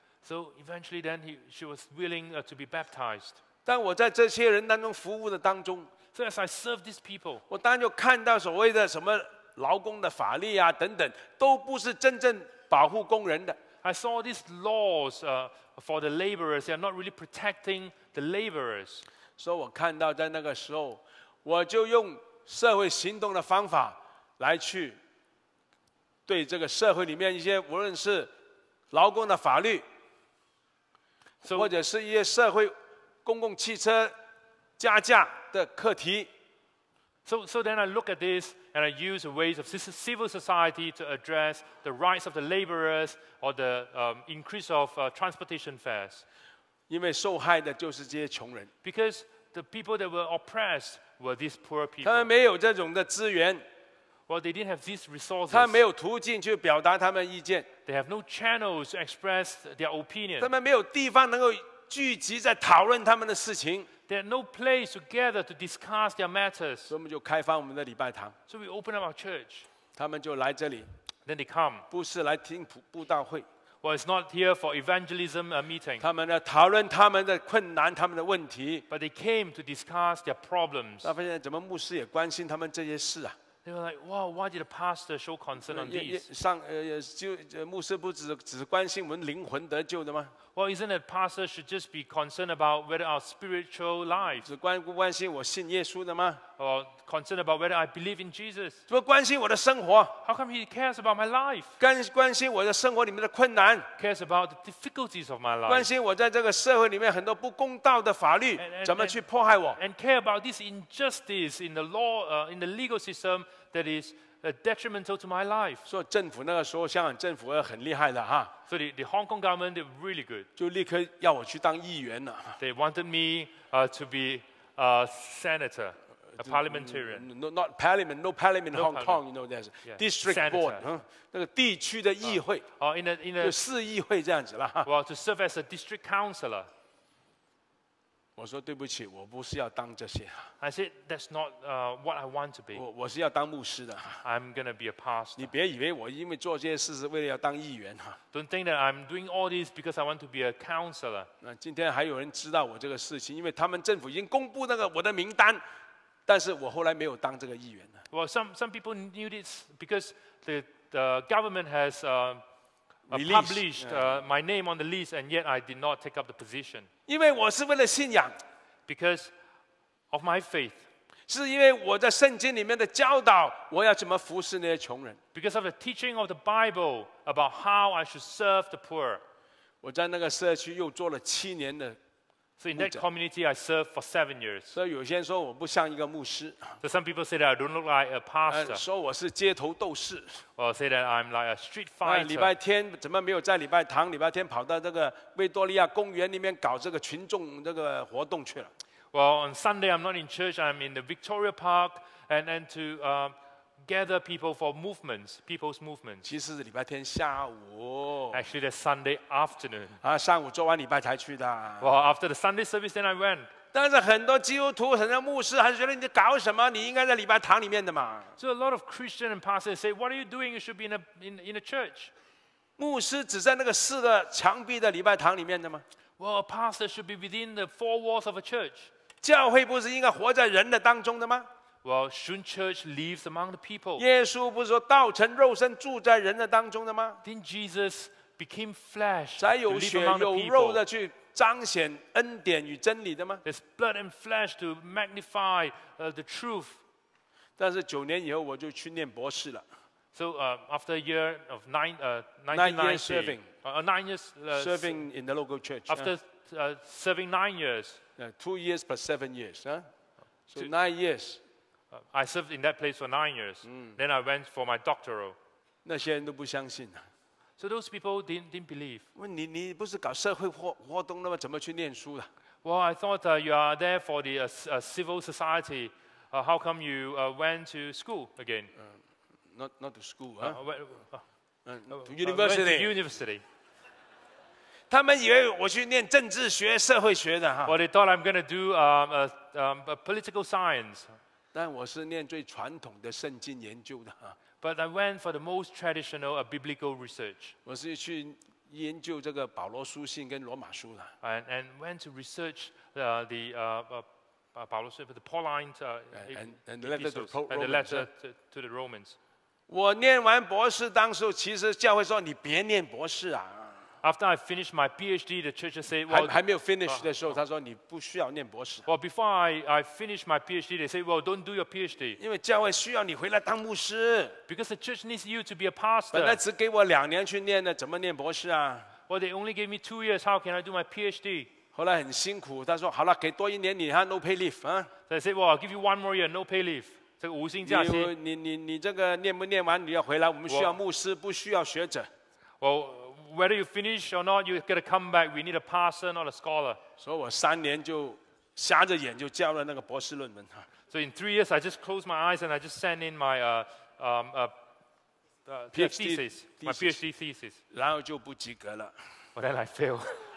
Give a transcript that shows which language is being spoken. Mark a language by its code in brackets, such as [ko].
[en] So eventually then she was willing to be baptized. [zh] 但我在这些人当中服务的当中。 [en] So as I serve these people. [zh] 我当然就看到所谓的什么劳工的法律啊等等都不是真正保护工人的。 [en] I saw these laws for the laborers. They are not really protecting the laborers. [zh] 所以我看到在那个时候我就用社会行动的方法来去对这个社会里面一些无论是劳工的法律 [en] so, [zh] 或者是一些社会公共汽车加价的课题 [en] So then I look at this and I use the ways of civil society to address the rights of the laborers or the increase of transportation fares [zh] 因为受害的就是这些穷人 [en] becauseThe people that were oppressed were these poor people. [zh] 他们没有这种的资源。 [en] Well, they didn't have these resources. [zh] 他们没有途径去表达他们意见。 [en] They have no channels to express their opinion. [zh] 他们没有地方能够聚集在讨论他们的事情。 [en] They have no place to gather to discuss their matters. [zh] 所以我们就开放我们的礼拜堂。 [en] So we open up our church. [zh] 他们就来这里。 [en] Then they come. [zh] 不是来听布道会。 [en] Well, it's not here for evangelism meeting. [zh] 他们呢讨论他们的困难，他们的问题。 [en] But they came to discuss their problems. [zh] 他发现怎么牧师也关心他们这些事啊 [en] ？They were like, "Wow, why did the pastor show concern on these?" [zh] 上就牧师不只关心我们灵魂得救的吗 [en] ？Well, isn't it pastor should just be concerned about whether our spiritual life? [zh] 只关不关心我信耶稣的吗 [en] ？Or concerned about whether I believe in Jesus? [zh] 怎么关心我的生活 [en] ？How come he cares about my life? [zh] 关心我的生活里面的困难 [en] ？Cares about the difficulties of my life? [zh] 关心我在这个社会里面很多不公道的法律 [en] and, [zh] 怎么去迫害我 [en] ？And care about this injustice in the law, in the legal system that is detrimental to my life? [zh] 说政府那个时候香港政府很厉害的哈。 [en] So the Hong Kong government they were really good. [zh] 就立刻要我去当议员了。 [en] They wanted me to be a senator. A parliamentarian. No, not parliament, no parliament in Hong Kong, you know, there's district board. [zh] 那个地区的议会。 [en] Oh, in a [zh] 就市议会这样子了。 [en] Well, to serve as a district councillor. [zh] 我说对不起，我不是要当这些。 [en] I said, that's not what I want to be. [zh] 我是要当牧师的。 [en] I'm going to be a pastor. [zh] 你别以为我因为做这些事是为了要当议员。 [en] Don't think that I'm doing all this because I want to be a councillor. [zh] 那今天还有人知道我这个事情，因为他们政府已经公布那个我的名单。但是我后来没有当这个议员了。 [en] Well, some people knew this because the government has published my name on the list, and yet I did not take up the position. [zh] 因为我是为了信仰 [en] ，because of my faith. [zh] 是因为我在圣经里面的教导，我要怎么服侍那些穷人 [en] ？Because of the teaching of the Bible about how I should serve the poor. [zh] 我在那个社区又做了七年的。 [en] So in that community, I served for 7 years. [zh] 所以有些人说我不像一个牧师。 [en] So some people say that I don't look like a pastor. [zh] 说我是街头斗士。 [en] Or say that I'm like a street fighter. [zh] 礼拜天怎么没有在礼拜堂？礼拜天跑到这个维多利亚公园里面搞这个群众这个活动去了。 [en] Well, on Sunday I'm not in church. I'm in the Victoria Park and to gather people for movements, people's movements. [zh] 其实是礼拜天下午。 [en] Actually, that's Sunday afternoon. [zh] 啊，上午做完礼拜才去的。 [en] Well, after the Sunday service, then I went. [zh] 但是很多基督徒、很多牧师还是觉得你搞什么？你应该在礼拜堂里面的嘛。 [en] So a lot of Christian and pastors say, "What are you doing? You should be in a church." [zh] 牧师只在那个四个墙壁的礼拜堂里面的吗 [en] ？Well, a pastor should be within the four walls of a church. [zh] 教会不是应该活在人的当中的吗？ [en] Well, shouldn't church live among the people? [zh] 耶稣不是说道成肉身住在人的当中的吗 [en] ？Didn't Jesus became flesh? [zh] 才有血有肉的去彰显恩典与真理的吗 [en] ？It's blood and flesh to magnify the truth. [zh] 但是九年以后我就去念博士了。 [en] So after a year of nine years serving in the local church. After serving 9 years. Two years plus 7 years. So 9 years. I served in that place for 9 years. Then I went for my doctoral. [zh] 那些人都不相信。 [en] So those people didn't believe. [zh] 问你，你不是搞社会活动的吗？怎么去念书的 [en] ？Well, I thought you are there for the civil society. How come you went to school again? Not to school, huh? To university. Went to university. [zh] 他们以为我去念政治学、社会学的哈。 [en] Well, they thought I'm going to do a political science. [zh] 但我是念最传统的圣经研究的。 [en] But I went for the most traditional biblical research. [zh] 我是去研究这个保罗书信跟罗马书的。 [en] And went to research Paul's letter, the Pauline, and the letter to the Romans. [zh] 我念完博士，当时其实教会说你别念博士啊。 [en] After I finished my PhD, the church said, "Well, [zh] 还没有 [en] finish [zh] 的时候，他说你不需要念博士。 [en] Well, before I finished my PhD, they said, "Well, don't do your PhD." [zh] 因为教会需要你回来当牧师。 [en] Because the church needs you to be a pastor. [zh] 本来只给我两年去念的，怎么念博士啊 [en] ？Well, they only gave me 2 years. How can I do my PhD? [zh] 后来很辛苦，他说好了，给多一年你哈 ， [en] no pay leave [zh] 啊。 [en] They said, "Well, I'll give you 1 more year, no pay leave." [zh] 这个无薪假期。你这个念不念完你要回来，我们需要牧师，不需要学者。 [en] Well. Whether you finish or not, you're going to come back. We need a pastor, not a scholar. So, [zh] 我三年就瞎着眼就交了那个博士论文。 [en] So, in 3 years, I just closed my eyes and I just sent in my PhD thesis. [zh] 然后就不及格了。 [en] But then I failed.